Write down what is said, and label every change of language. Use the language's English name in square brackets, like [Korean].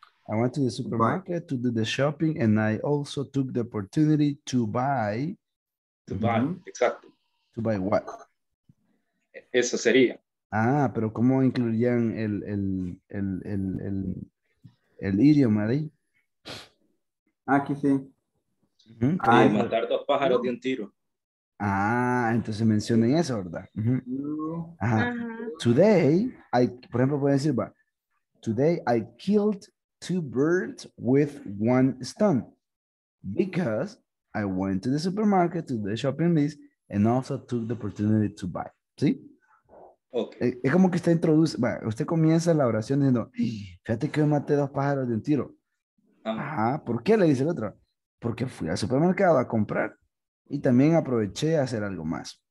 [English] I went to the supermarket to do the shopping, and I also took the opportunity to buy. To buy, [Spanish] exacto. [English] To buy what? [Spanish] Eso sería. Ah, pero ¿cómo incluirían el el idioma ahí? Aquí sí. Uh-huh. Ay, matar dos pájaros de un tiro. Ah, entonces mencionen eso, ¿verdad? Uh-huh. Ajá. Uh-huh. [English] Today, [Spanish] por ejemplo, puede decir, [English] but today I killed two birds with one stone because I went to the supermarket to the shopping list and also took the opportunity to buy. [Spanish] ¿Sí? [English] Okay. [Spanish] Es como que usted introduce, bueno, usted comienza la oración diciendo, fíjate que yo maté dos pájaros de un tiro. Ajá. ¿Por qué? Le dice el otro. Porque fui al supermercado a comprar y también aproveché a hacer algo más.